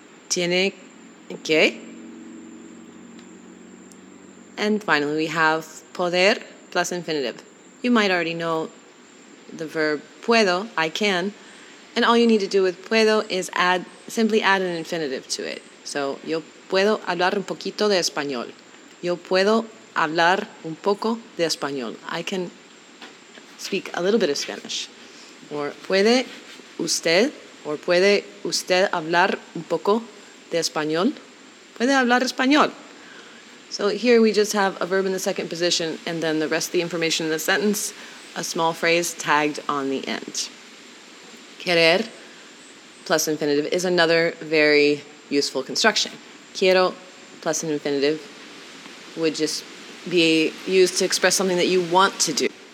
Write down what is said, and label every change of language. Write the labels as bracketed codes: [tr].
[es] Tiene que. [en] And finally, we have poder plus infinitive. You might already know the verb puedo, I can. And all you need to do with puedo is simply add an infinitive to it. [es] So, yo puedo hablar un poquito de español. Yo puedo hablar un poco de español. [en] I can speak a little bit of Spanish. [es] Or puede usted, or puede usted hablar un poco de español. Puede hablar español. [en] So here we just have a verb in the second position and then the rest of the information in the sentence, a small phrase tagged on the end. Querer plus infinitive is another very useful construction. Quiero plus an infinitive would just be used to express something that you want to do.